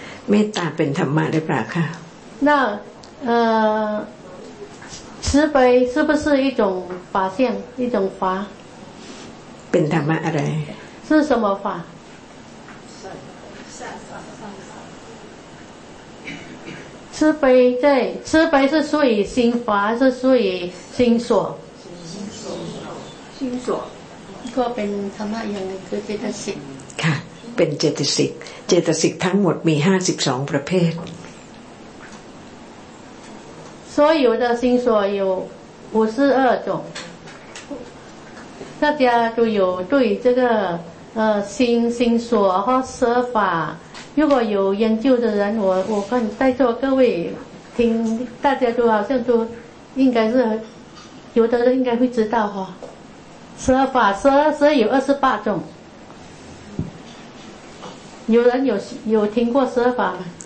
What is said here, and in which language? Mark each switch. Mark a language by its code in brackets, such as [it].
[th] เมตตาเป็นธรรมะหรือเปล่าคะ [zh] 那慈悲是不是一种法相一种法 [th] เป็นธรรมะอะไร [zh] 是什么法慈悲在慈悲是属于心法是属于心所心所 [th] ก็เป็นธรรมะอย่างคือเจตสิก ค่ะเป็นเจตสิกเจตสิกทั้งหมดมี52ประเภท [zh] 所有的心所有52种大家都有对这个心所和舍法，如果有研究的人，我看在座各位听，大家都好像都应该是有的人应该会知道哈，舍法舍有28种，有人有听过舍法吗？